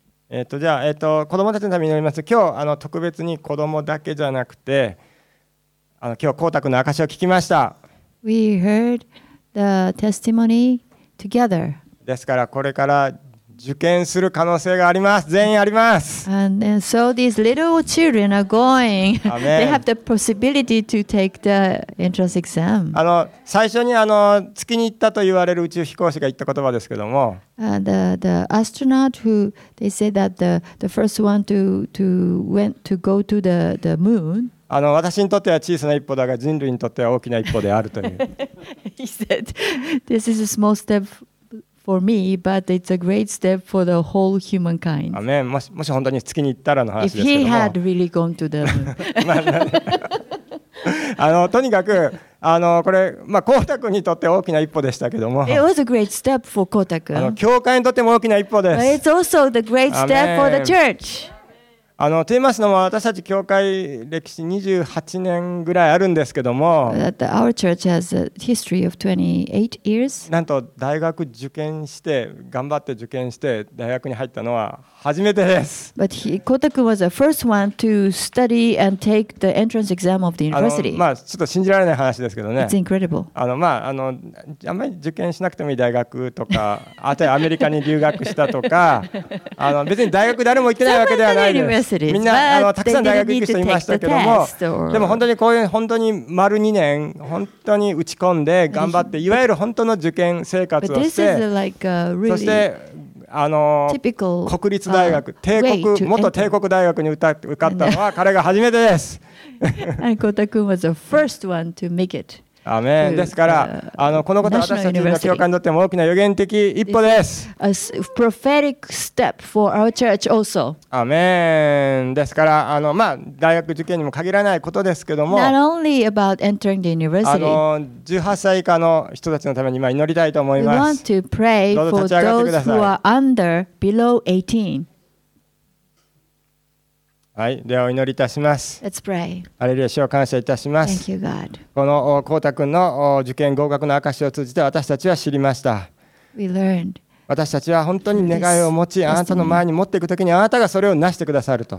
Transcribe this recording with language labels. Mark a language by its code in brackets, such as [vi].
[ja] じゃあ、子どもたちのために祈ります。今日特別に子どもだけじゃなくて、今日コウタ君の証を聞きました。 [en] We heard the testimony together. [ja] ですからこれから受験する可能性があります。全員あります。 [en] And then, so these little children are going. They have the possibility to take the entrance exam. [ja] 最初に月に行ったと言われる宇宙飛行士が言った言葉ですけども、 [en] The astronaut who they say that the first one to went to go to the moon. [ja] 私にとっては小さな一歩だが人類にとっては大きな一歩であるという。 [en] He said, "This is a small step." For me, but it's a great step for the whole humankind. Amen. [ja] もし本当に月に行ったらの話ですけども。 [en] If he had really gone to the moon. [ja] とにかくこれコウタ君にとって大きな一歩でしたけども。 [en] It was a great step for コウタ君。 [ja] 教会にとっても大きな一歩です。 [en] But it's also the great step for the church. [ja] と言いますのも、私たち教会歴史28年ぐらいあるんですけども、 [en] our church has a history of 28 years. [ja] なんと大学受験して、頑張って受験して大学に入ったのは初めてです。 [en] But Kota君 was the first one to study and take the entrance exam of the university. [ja] ちょっと信じられない話ですけどね。 [en] It's incredible. [ja] あんまり受験しなくてもいい大学とか、あとはアメリカに留学したとか、別に大学誰も行ってないわけではないです。みんなたくさん大学行く人いましたけども、でも本当にこういう本当に丸2年本当に打ち込んで頑張って、いわゆる本当の受験生活をして、そして国立大学、帝国、元帝国大学に受かったのは彼が初めてです。 [en] コウタ君 was the first one to make it。 [ja] アメン。ですからこのことは私たちの教会にとっても大きな予言的一歩です。 [en] A prophetic step for our church also. [ja] アメン。ですから大学受験にも限らないことですけども、 [en] Not only about entering the university. [ja] 18歳以下の人たちのために今祈りたいと思います。 [en] We want to pray for those who are under below 18. [ja] はい、ではお祈りいたします。 [en] Let's pray. [ja] アレルヤ主を感謝いたします。 [en] Thank you, God. [ja] このコウタ君の受験合格の証を通じて私たちは知りました。 [en] We learned. [ja] 私たちは本当に願いを持ち、あなたの前に持っていくときに、あなたがそれを成してくださると。